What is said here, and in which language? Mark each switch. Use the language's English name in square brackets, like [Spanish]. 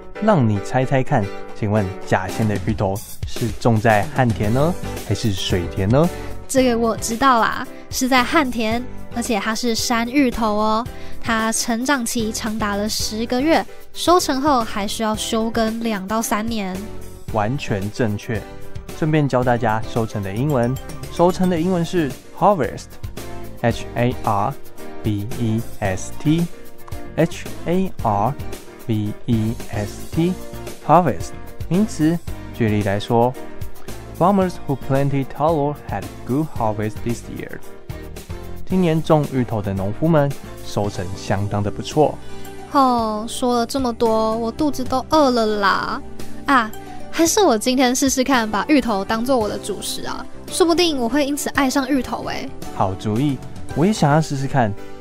[Chinese] 让你猜猜看，请问甲仙的芋头是种在旱田呢，还是水田呢？这个我知道啦，是在旱田，而且它是山芋头哦。它成长期长达了10个月，收成后还需要休耕2到3年。完全正确。顺便教大家收成的英文，收成的英文是 harvest， H A R V E S T， H A R V E S T， harvest 名词。 [English] 举例来说， farmers who planted talo had good harvest this year。 [Chinese] 今年种芋头的农夫们收成相当的不错。哦，说了这么多，我肚子都饿了啦。啊，还是我今天试试看把芋头当作我的主食啊，说不定我会因此爱上芋头耶。好主意，我也想要试试看。